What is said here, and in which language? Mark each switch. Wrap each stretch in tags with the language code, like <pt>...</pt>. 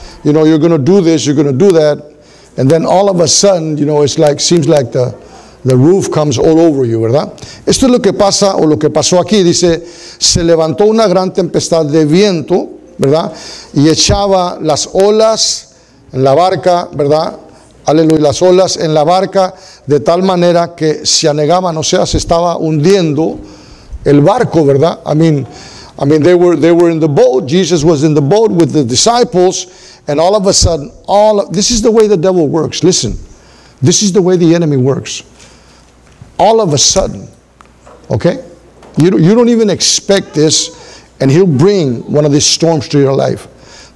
<en>You know, you're going to do this, you're going to do that. And then all of a sudden, you know, it's like, seems like the roof comes all over you, ¿verdad?</en> <es>Esto es lo que pasa, o lo que pasó aquí. Dice, se levantó una gran tempestad de viento, ¿verdad? Y echaba las olas en la barca, ¿verdad? Aleluya, las olas en la barca de tal manera que se anegaban, o sea, se estaba hundiendo el barco, ¿verdad?</es> <en>I mean they were in the boat. Jesus was in the boat with the disciples, and all of a sudden, this is the way the devil works. Listen, this is the way the enemy works. All of a sudden, okay, you don't even expect this, and he'll bring one of these storms to your life.</en>